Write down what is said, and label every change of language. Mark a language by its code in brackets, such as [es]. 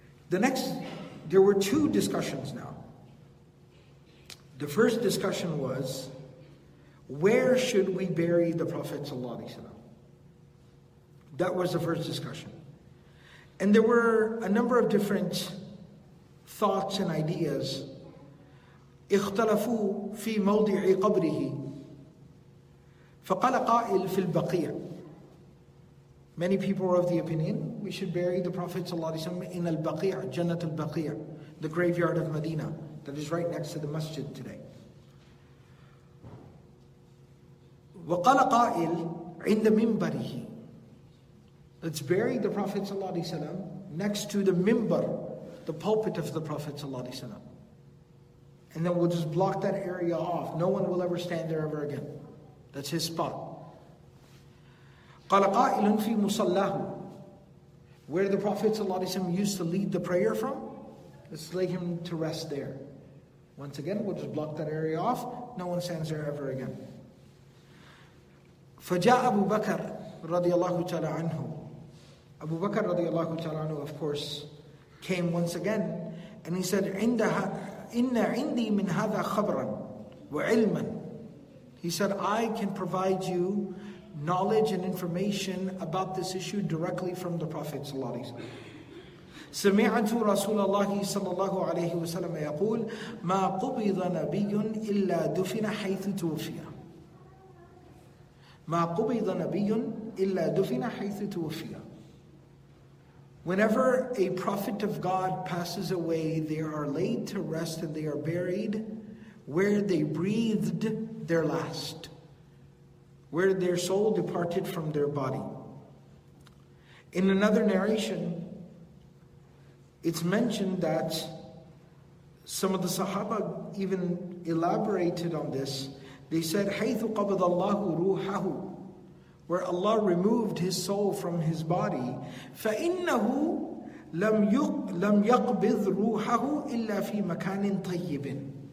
[en] There were two discussions now. The first discussion was, where should we bury the Prophet ﷺ? That was the first discussion. And there were a number of different thoughts and ideas. [ar] اختلفوا في موضع قبره فقال قائل في البقيع. [en] Many people were of the opinion we should bury the Prophet ﷺ in al-Baqi', Jannat al-Baqi', the graveyard of Medina that is right next to the masjid today. [ar] وقال قائل عند منبره. [en] Let's bury the Prophet ﷺ next to the minbar, the pulpit of the Prophet ﷺ. And then we'll just block that area off. No one will ever stand there ever again. That's his spot. [ar] قَالَ قَائِلٌ فِي مُصَلَّهُ. [en] Where the Prophet ﷺ used to lead the prayer from, let's lay him to rest there. Once again, we'll just block that area off. No one stands there ever again. [ar] فَجَاءَ أَبُو بَكَرَ رَضِيَ اللَّهُ تَعَلَىٰ عَنْهُ. [en] Abu Bakr [ar] رَضِيَ اللَّهُ تَعَلَىٰ عَنْهُ, [en] of course, came once again. And he said, [ar] عِنْدَهَا إِنَّ عِنْدِي مِنْ هَذَا خَبْرًا وَعِلْمًا. [en] He said, I can provide you knowledge and information about this issue directly from the Prophet ﷺ. [ar] سمعت رسول الله صلى الله عليه وسلم يقول ما قبض نبي إلا دفن حيث توفي ما قبض نبي إلا دفن حيث توفي. [en] Whenever a prophet of God passes away, they are laid to rest and they are buried where they breathed their last, where their soul departed from their body. In another narration, it's mentioned that some of the Sahaba even elaborated on this. They said, [ar] حَيْثُ قَبَضَ اللَّهُ رُوحَهُ, [en] where Allah removed his soul from his body, [ar] فَإِنَّهُ لَمْ يَقْبِضْ رُوحَهُ إِلَّا فِي مَكَانٍ طَيِّبٍ.